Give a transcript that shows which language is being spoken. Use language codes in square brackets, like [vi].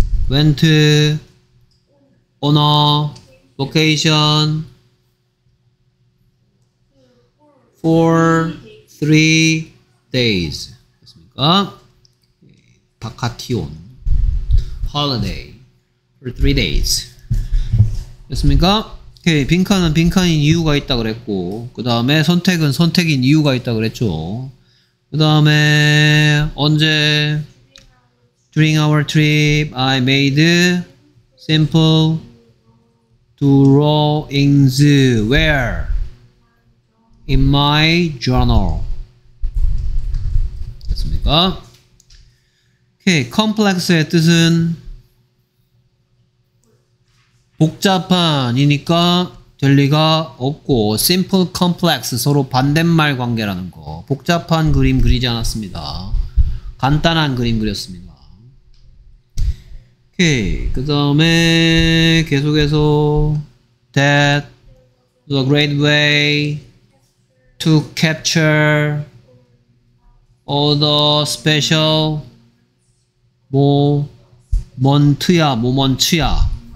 [en] Went on a vacation for 3 days. [ko] 됐습니까? [en] Vacation holiday for 3 days. [ko] 됐습니까? 오케이, 빈칸은 빈칸인 이유가 있다 그랬고 그 다음에 선택은 선택인 이유가 있다 그랬죠. 그 다음에 언제? [en] During our trip I made simple drawings where? In my journal. [ko] 됐습니까? 오케이, complex의 뜻은 복잡한이니까 될 리가 없고 simple complex 서로 반대말 관계라는 거. 복잡한 그림 그리지 않았습니다. 간단한 그림 그렸습니다. 오케이. 그 다음에 계속해서 [en] that was a great way to capture all the special moment야.